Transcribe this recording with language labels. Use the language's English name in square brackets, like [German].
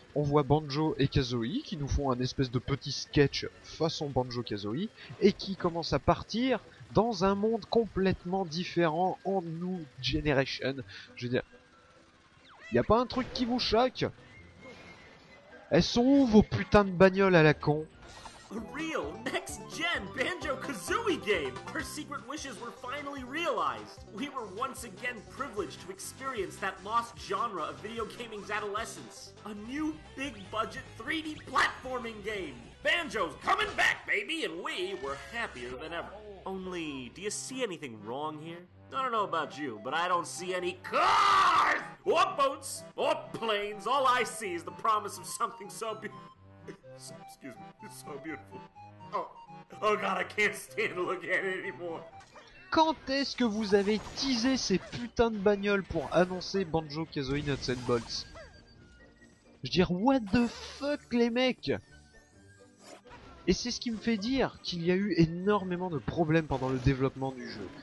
[French] On voit Banjo et Kazooie qui nous font un espèce de petit sketch façon Banjo-Kazooie et qui commence à partir dans un monde complètement différent en New Generation. Je veux dire, y a pas un truc qui vous choque? Elles sont où vos putains de bagnoles à la con? [English] A real next-gen Banjo-Kazooie game! Her secret wishes were finally realized! We were once again privileged to experience that lost genre of video gaming's adolescence. A new big-budget 3D platforming game! Banjo's coming back, baby, and we were happier than ever. Only, do you see anything wrong here? I don't know about you, but I don't see any cars! Or boats! Or planes! All I see is the promise of something so beautiful. [French] Excuse-moi, c'est tellement beau. Oh, [English] oh god, [French] je ne peux pas regarder ça [English] anymore. [French] Quand est-ce que vous avez teasé ces putains de bagnoles pour annoncer Banjo Kazooie Nuts and Bolts? Je dire, [English] what the fuck, [French] les mecs? Et c'est ce qui me fait dire qu'il y a eu énormément de problèmes pendant le développement du jeu.